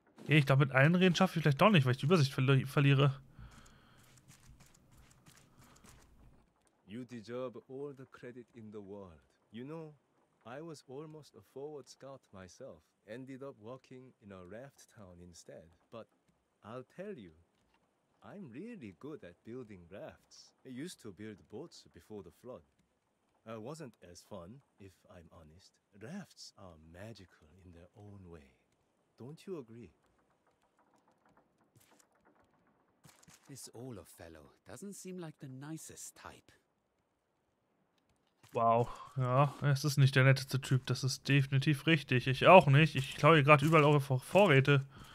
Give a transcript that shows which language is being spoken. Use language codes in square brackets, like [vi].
[de] Ich glaube, mit allen Reden schaffe ich vielleicht doch nicht, weil ich die Übersicht verliere. [en] You deserve all the credit in the world. You know, I was almost a forward scout myself. Ended up working in a raft town instead. But I'll tell you, I'm really good at building rafts. I used to build boats before the flood. It wasn't as fun, if I'm honest. Rafts are magical in their own way. Don't you agree? This Olaf fellow doesn't seem like the nicest type. [de] Wow, ja, es ist nicht der netteste Typ, das ist definitiv richtig. Ich auch nicht, ich klaue hier gerade überall eure Vorräte.